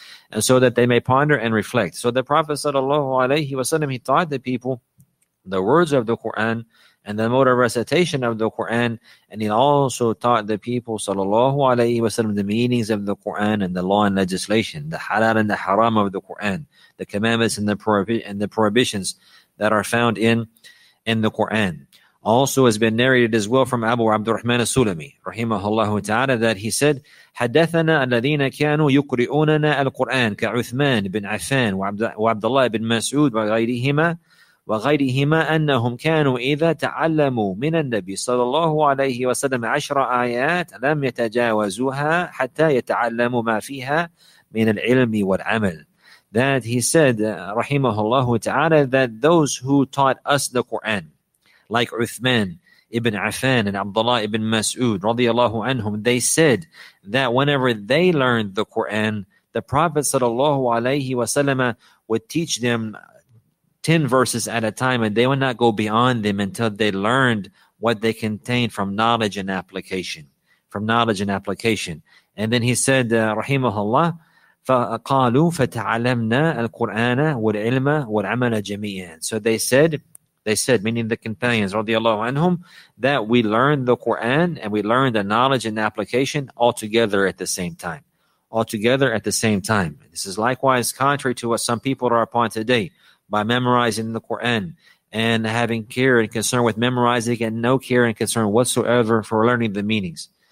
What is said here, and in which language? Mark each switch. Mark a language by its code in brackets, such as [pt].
[en] So the Prophet sallallahu alayhi wa sallam, he taught the people the words of the Quran and the mode of recitation of the Quran, and he also taught the people sallallahu alayhi wa sallam the meanings of the Quran and the law and legislation, the halal and the haram of the Quran, the commandments and the prohibitions that are found in the Quran. Also has been narrated as well from Abu Abdurrahman al-Sulami, rahimahullah ta'ala, that he said, [ar] حَدَّثَنَا الَّذِينَ كَانُوا يُقْرِئُونَنَا الْقُرْآنَ كَعُثْمَانِ بِنْ عَفَانِ وَعَبْدَ اللَّهِ بِنْ مَسْعُودِ وَغَيْرِهِمَا أَنَّهُمْ كَانُوا إِذَا تَعَلَّمُوا مِنَ النَّبِيِّ صَلَى اللَّهُ عَلَيْهِ وَسَلَّمَ 10 آيَاتٍ لَمْ يَتَجَاوَزُوهَا حَتَّى يَتَعَلَّمُوا مَا فِيهَا مِنَ الْعِلْمِ وَالْعَمَلِ. [en] That he said, rahimahullah ta'ala, that those who taught us the Quran, like Uthman ibn Affan and Abdullah ibn Mas'ud radiyallahu anhum, they said that whenever they learned the Quran, the Prophet sallallahu alayhi wa sallam would teach them 10 verses at a time, and they would not go beyond them until they learned what they contained from knowledge and application. From knowledge and application. And then he said, Rahimahullah, [ar] فَقَالُوا فَتَعَلَّمْنَا الْقُرْآنَ وَالْعِلْمَ وَالْعَمَلَ جَمِيعًا. [en] So they said, meaning the companions, radiallahu anhum, that we learned the Quran and we learned the knowledge and application all together at the same time. This is likewise contrary to what some people are upon today by memorizing the Quran and having care and concern with memorizing and no care and concern whatsoever for learning the meanings.